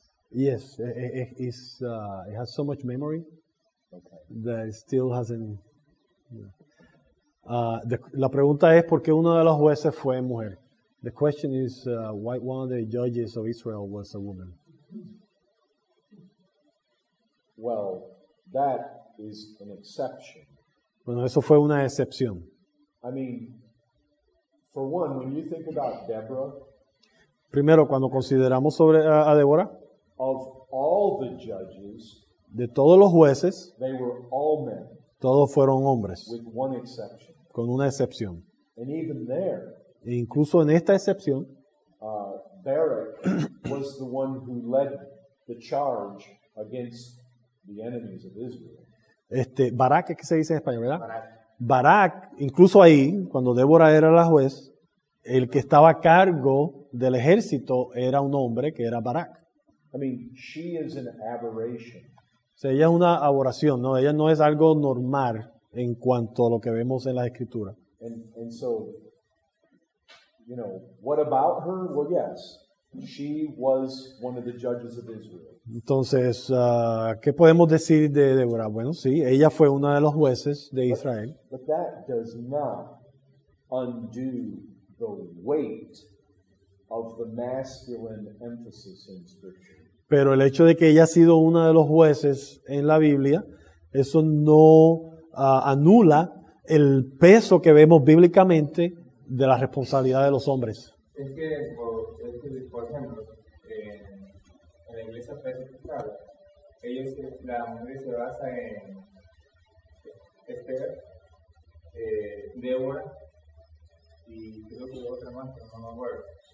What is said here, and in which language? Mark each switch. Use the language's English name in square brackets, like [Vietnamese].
[Spanish] Yes, it has so much memory that it still hasn't. La pregunta es ¿por qué uno de los jueces fue mujer? [English] The question is, why one of the judges of Israel was a woman? Well, that is an exception. [Spanish] Bueno, eso fue una excepción. [English] I mean, for one, when you think about Deborah. [Spanish] Primero, cuando consideramos sobre a Débora. [English] Of all the judges. [Spanish] De todos los jueces. [English] They were all men. [Spanish] Todos fueron hombres. [English] With one exception. [Spanish] Con una excepción. [English] And even there. [Spanish] E incluso en esta excepción. [English] Barak was the one who led the charge against the enemies of Israel. [Spanish] Barak, ¿qué se dice en español, verdad? Barak, incluso ahí, cuando Débora era la juez, el que estaba a cargo del ejército era un hombre que era Barak. [English] I mean, she is an aberration. [Spanish] O sea, ella es una aberración, ¿no? Ella no es algo normal en cuanto a lo que vemos en la Escritura. [English] And so, you know, what about her? Well, yes. She was one of the judges of Israel. [Spanish] Entonces, ¿qué podemos decir de Débora? Bueno, sí, ella fue una de los jueces de Israel. [English] But that does not undo the weight of the masculine emphasis in Scripture. [Spanish] Pero el hecho de que ella ha sido una de los jueces en la Biblia, eso no anula el peso que vemos bíblicamente de la responsabilidad de los hombres. Es que, por ejemplo, en la iglesia presbiteriana, ellos, la mujer se basa en Esther, Débora, y creo que otra más, pero no me acuerdo.